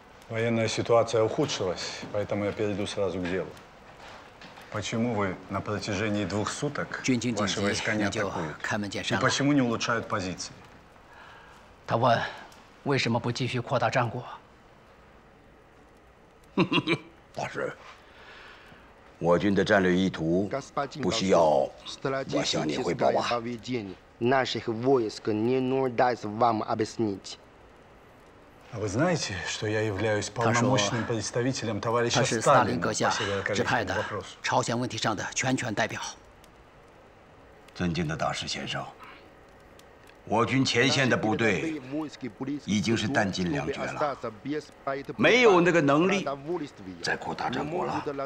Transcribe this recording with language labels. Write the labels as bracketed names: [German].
[Russian] военная ситуация ухудшилась, поэтому я перейду сразу к делу. Почему вы на протяжении двух суток ваши войска не атакуют? И почему не улучшают позиции? [Chinese] 他问，为什么不继续扩大战果？大使，我军的战略意图不需要我向你汇报吧？ [Russian] наших войск не нуждается вам объяснить。 А вы знаете, что я являюсь полномочным представителем товарища Сталина по северокорейскому вопросу? [Chinese] 朝鲜问题上的全权代表。尊敬的大使先生，我军前线的部队已经是弹尽粮绝了，没有那个能力再扩大战果了。